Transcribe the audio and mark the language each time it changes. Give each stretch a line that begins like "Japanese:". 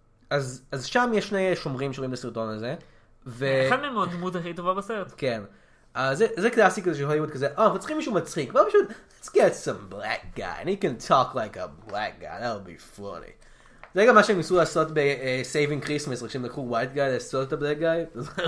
Hebrew: אז שם יש שני שומרים שרואים לסרטון הזה. אחד מהם הוא הדמות הכי טובה בסרט. כן. זה קלאסיק הזה של הוליווד כזה, אנחנו צריכים מישהו מצחיק. בואו פשוט,
English: let's get some black guy and he can talk like a black guy. That'll be funny.
Hebrew: זה גם מה שהם ניסו לעשות ב-Saving Christmas, רק שהם לקחו
English: white guy
Hebrew: לעשות את ה-
English: black guy.